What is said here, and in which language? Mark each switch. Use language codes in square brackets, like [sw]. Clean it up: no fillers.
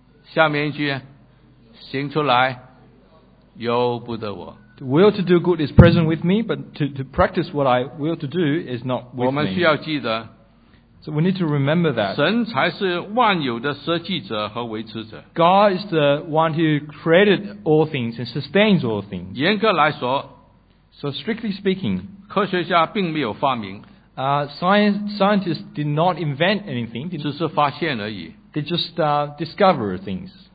[zh] 下面一句，行出来，由不得我。 [en] The will to do good is present with me, but to practice what I will to do is not with me. [zh] 我们需要记得。 [en] So we need to remember that. [zh] 神才是万有的设计者和维持者。 [en] God is the one who created all things and sustains all things. [zh] 严格来说。 [en] So strictly speaking. [zh] 科学家并没有发明。 [en] Scientists did not invent anything. [zh] 只是发现而已。 [en] They just discover things.